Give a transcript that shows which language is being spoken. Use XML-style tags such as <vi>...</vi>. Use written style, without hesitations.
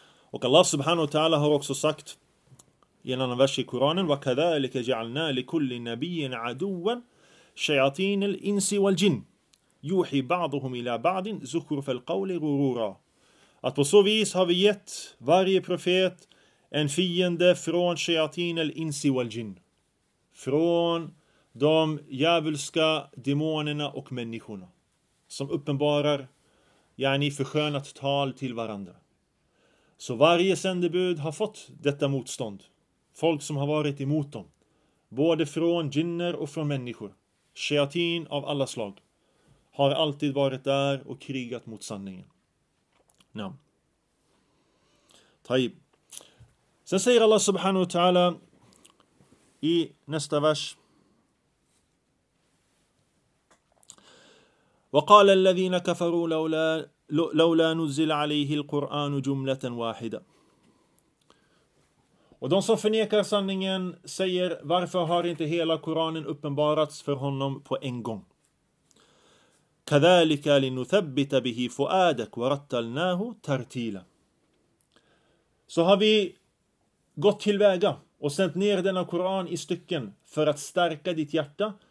<sv>Och Allah subhanahu wa ta'ala har också sagt i en annan vers i Koranen,</sv> <ar>وَكَذَلِكَ جَعَلْنَا لِكُلِّ نَبِيٍ عَدُوًا شَيَاطِينَ الْإِنْسِ وَالْجِنِ يُوحِي بَعْضُهُمْ إِلَى بَعْضٍ زُخْرُفَ الْقَوْلِ غُرُورًا.</ar> <sv>Att på så vis har vi gett varje profet en fiende från shayatin al-insi wal-jinn. Från de djävulska demonerna och människorna. Som uppenbarar, yani, förskönat tal till varandra. Så varje sändebud har fått detta motstånd. Folk som har varit emot dem. Både från jinner och från människor. Shayatin av alla slag har alltid varit där och krigat mot sanningen. Ja. Taib. Sen säger Allah subhanahu wa ta'ala i nästa vers:</sv> <ar>وقال الذين كفروا لولا نزل عليه القرآن جملة واحدة.</ar> <sv>Och de som förnekar sanningen säger: varför har inte hela Koranen uppenbarats för honom på en gång?</sv> <ar>كذلك لنثبت به فؤادك ورتلناه ترتيلا.</ar> <sv>Så har vi gått tillväga och sänt ner denna Koran i stycken för att stärka ditt hjärta.</sv>